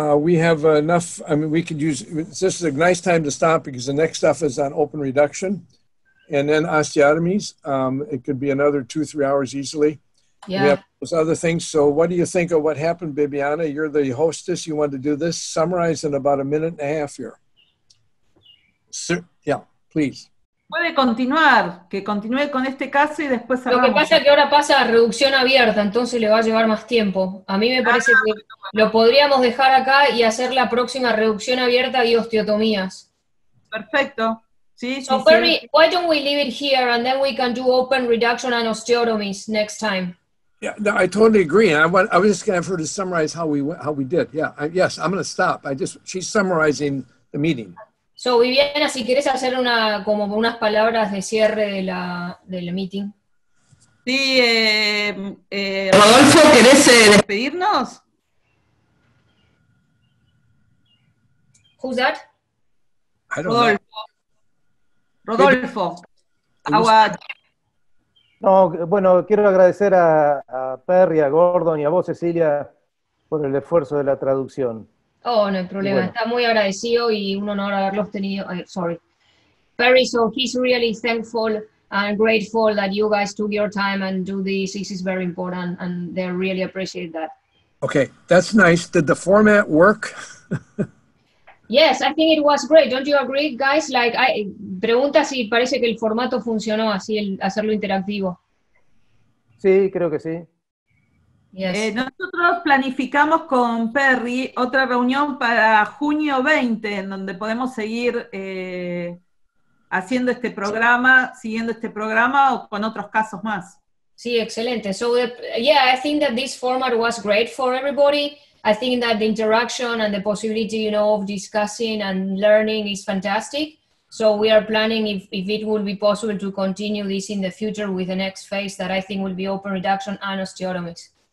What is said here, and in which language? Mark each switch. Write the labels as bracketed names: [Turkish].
[English] We have enough, I mean, we could use, this is a nice time to stop because the next stuff is on open reduction and then osteotomies. It could be another 2-3 hours easily. Yeah. We have those other things. So what do you think of what happened, Bibiana? You're the hostess. You want to do this? Summarize in about a minute and a half here. Sir, yeah, please. [Spanish] Puede continuar, que continúe con este caso y después cerramos. Lo que pasa es que ahora pasa a reducción abierta, entonces le va a llevar más tiempo. A mí me parece que lo podríamos dejar acá y hacer la próxima reducción abierta y osteotomías. Perfecto. Sí, [English] so, Perry, why don't we leave it here and then we can do open reduction and osteotomies next time? Yeah, no, I totally agree. And I was just going to have her to summarize how we did. Yeah, yes, I'm going to stop. She's summarizing the meeting. [Spanish] So, Viviana, si quieres hacer una como unas palabras de cierre del meeting. Sí, Rodolfo, ¿querés despedirnos? [English] Who's that? I don't know. Rodolfo. [Spanish] No, bueno, quiero agradecer a Perry, a Gordon y a vos, Cecilia, por el esfuerzo de la traducción. Oh, no hay problema. Bueno. Está muy agradecido y un honor haberlos tenido. [English] Sorry. Perry, so he's really thankful and grateful that you guys took your time and do this. This is very important and they really appreciate that. Okay, that's nice. Did the format work? Yes, I think it was great. Don't you agree, guys? Like, I [Spanish] pregunta si parece que el formato funcionó así, el hacerlo interactivo. Sí, creo que sí. [English] Yes. [Spanish] Nosotros planificamos con Perry otra reunión para junio 20, en donde podemos seguir haciendo este programa, siguiendo este programa o con otros casos más. Sí, excelente. [English] So, yeah, I think that this format was great for everybody. I think that the interaction and the possibility, you know, of discussing and learning is fantastic. So we are planning if it would be possible to continue this in the future with the next phase that I think will be open reduction and osteotomies.